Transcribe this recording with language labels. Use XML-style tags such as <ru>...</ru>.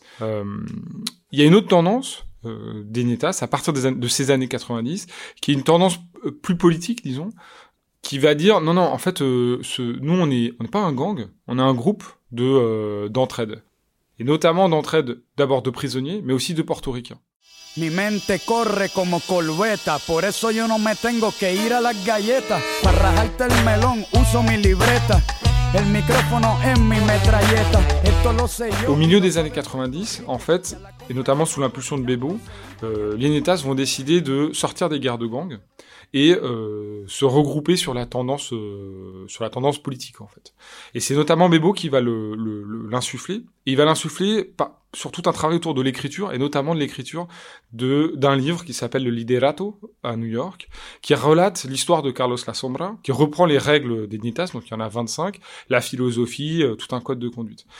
<fr>Il y a une autre tendance des Netas, à partir de ces années 90, qui est une tendance plus politique, disons, qui va dire, non, en fait, nous, on n'est pas un gang, on est un groupe d'entraide. Et notamment d'entraide, d'abord de prisonniers, mais aussi de portoricains.</fr> <es>Mi mente corre como colueta, por eso yo no me tengo que ir a las galletas. Para rajarte el melón, uso mi libreta. El micrófono en mi metralleta. Esto lo sé yo.</es> <fr>Au milieu des années 90, en fait, et notamment sous l'impulsion de Bebo, les Netas vont décider de sortir des guerres de gang et se regrouper sur la tendance politique, en fait. Et c'est notamment Bebo qui va l'insuffler. Et il va l'insuffler sur tout un travail autour de l'écriture, et notamment de l'écriture d'un livre qui s'appelle Le Liderato, à New York, qui relate l'histoire de Carlos La Sombra, qui reprend les règles des Netas, donc il y en a 25, la philosophie, tout un code de conduite.</fr>